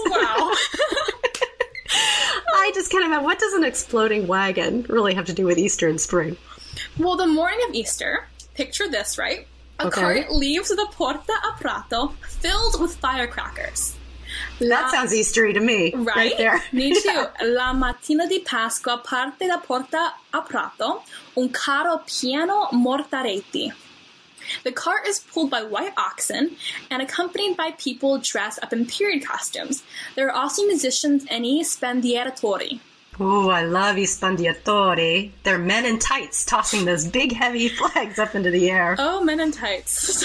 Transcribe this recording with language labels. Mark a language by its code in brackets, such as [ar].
[en] Wow. I just can't imagine. What does an exploding wagon really have to do with Easter and spring? Well, the morning of Easter, picture this, right? A cart leaves the Porta a Prato filled with firecrackers. That sounds Eastery to me. Right there. Me too. Yeah. [it] La mattina di Pasqua parte da Porta a Prato un carro pieno mortaretti. [en] The cart is pulled by white oxen and accompanied by people dressed up in period costumes. There are also musicians and spandieratori. Ooh, I love spandieratori. They're men in tights tossing those big, heavy flags up into the air. Oh, men in tights.